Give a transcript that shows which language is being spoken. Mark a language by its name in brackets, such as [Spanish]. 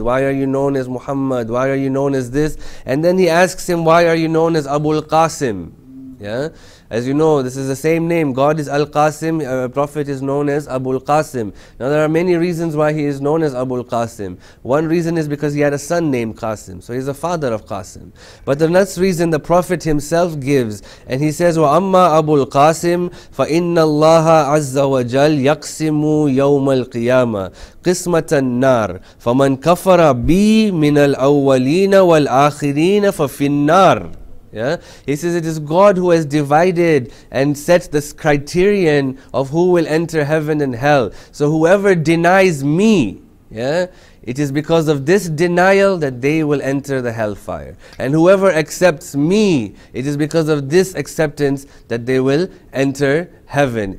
[English] Why are you known as Muhammad? Why are you known as this? And then he asks him, why are you known as Abu al-Qasim? Yeah? As you know, this is the same name. God is Al-Qasim, a prophet is known as Abu al-Qasim. Now there are many reasons why he is known as Abu al-Qasim. One reason is because he had a son named Qasim. So he's the father of Qasim. But the next reason the prophet himself gives, and he says, [Arabic] وَأَمَّا أَبُو الْقَاسِمْ فَإِنَّ اللَّهَ عَزَّ وَجَلْ يَقْسِمُ يَوْمَ الْقِيَامَةِ قِسْمَةً النَّارِ فَمَنْ كَفَرَ بِي مِنَ الْأَوَّلِينَ وَالْآخِرِينَ فَفِي النَّارِ. [English] Yeah? He says it is God who has divided and set this criterion of who will enter heaven and hell. So whoever denies me, yeah, it is because of this denial that they will enter the hellfire. And whoever accepts me, it is because of this acceptance that they will enter heaven.